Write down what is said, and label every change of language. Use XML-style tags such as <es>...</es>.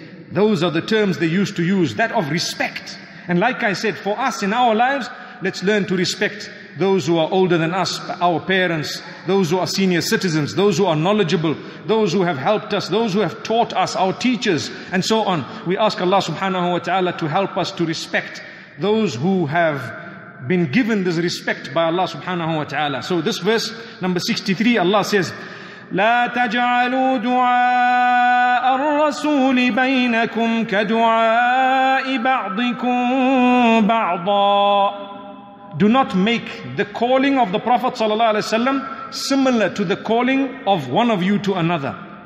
<en>Those are the terms they used to use, that of respect. And like I said, for us in our lives, let's learn to respect those who are older than us, our parents, those who are senior citizens, those who are knowledgeable, those who have helped us, those who have taught us, our teachers, and so on. We ask Allah subhanahu wa ta'ala to help us to respect those who have been given this respect by Allah subhanahu wa ta'ala. So this verse, number 63, Allah says,</en> <ar>لا تجعلوا دعاء الرسول بينكم كدعاء بعضكم بعضا.</ar> <en>Do not make the calling of the Prophet sallallahu alaihi wasallam similar to the calling of one of you to another.</en>